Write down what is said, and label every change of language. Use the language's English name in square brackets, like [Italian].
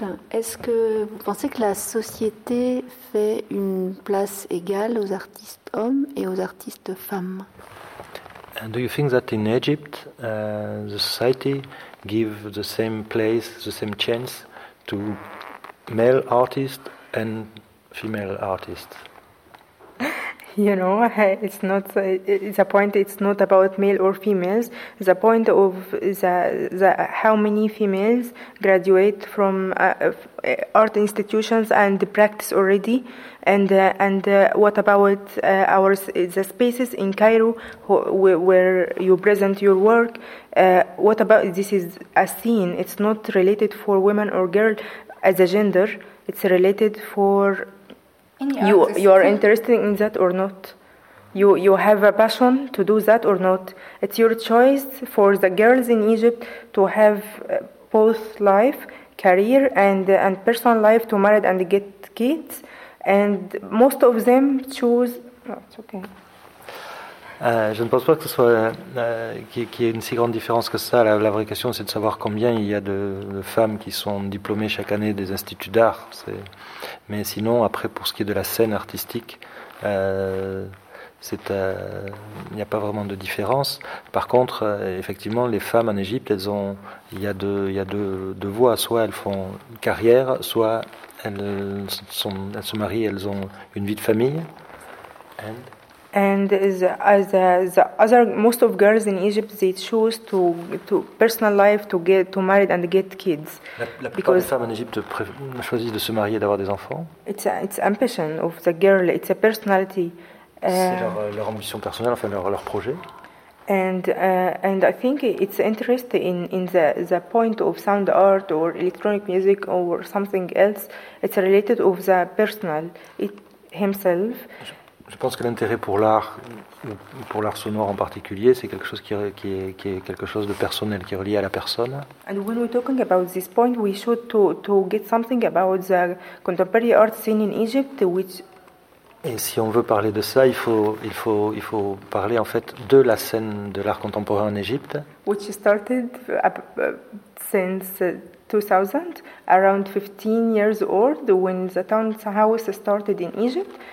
[French] Est-ce que vous pensez que la société fait une place égale aux artistes hommes et aux artistes femmes? [English] And do you think that in Egypt the society give the same place, the same chance to male artist and female artist? You know, it's not the point. It's not about male or females. The point of the how many females graduate from art institutions and practice already, and what about our the spaces in Cairo where you present your work? What about this is a scene? It's not related for women or girl as a gender. It's related for. You are interested in that or not? You have a passion to do that or not? It's your choice for the girls in Egypt to have both life, career and personal life, to marry and get kids. And most of them choose... Oh, it's okay. [French] Je ne pense pas que ce soit qu'il y ait une si grande différence que ça. La vraie question, c'est de savoir combien il y a de femmes qui sont diplômées chaque année des instituts d'art. Mais sinon, après, pour ce qui est de la scène artistique, il n'y a pas vraiment de différence. Par contre, effectivement, les femmes en Égypte, il y a deux voies. Soit elles font carrière, soit elles se marient, elles ont une vie de famille. [English] And the other most of girls in Egypt, they choose to personal life to marry and get kids. [French] La plupart des femmes en Égypte choisissent de se marier et d'avoir des enfants. [English] It's ambition of the girl. It's a personality. [French] C'est leur ambition personnelle, enfin leur projet. [English] And I think it's interest in the point of sound art or electronic music or something else. It's related of the personal it himself. [French] Je pense que l'intérêt pour l'art sonore en particulier, c'est quelque chose qui est quelque chose de personnel, qui est relié à la personne. [English] And when we're talking about this point, we should to get something about the contemporary art scene in Egypt, which. [French] Et si on veut parler de ça, il faut parler en fait de la scène de l'art contemporain en Égypte. [English] Which started since 2000, around 15 years old, when the townhouse started in Egypt.